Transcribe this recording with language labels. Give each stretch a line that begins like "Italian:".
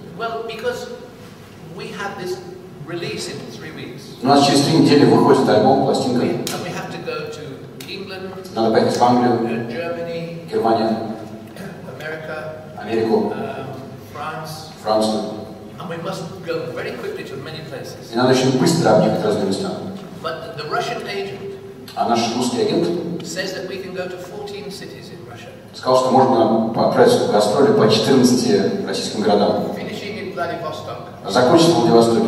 English: Well, because we have this release in 3 weeks.
Russian: У нас через 3 недели выходит альбом, пластинка.
English: And we have to go to England.
Russian: Надо поехать в Англию.
English: Germany.
Russian: Германия.
English: America.
Russian: Америку.
English: France. And we must go very quickly to many places.
Russian: И надо очень быстро объехать разные места.
English: But the Russian agent.
Russian: А наш русский агент.
English: Says that we can go to 14 cities in Russia.
Russian: Сказал, что можно отправиться в гастроли по 14 российским городам.
English: Finishing in Vladivostok.
Russian: Закончить в Владивостоке.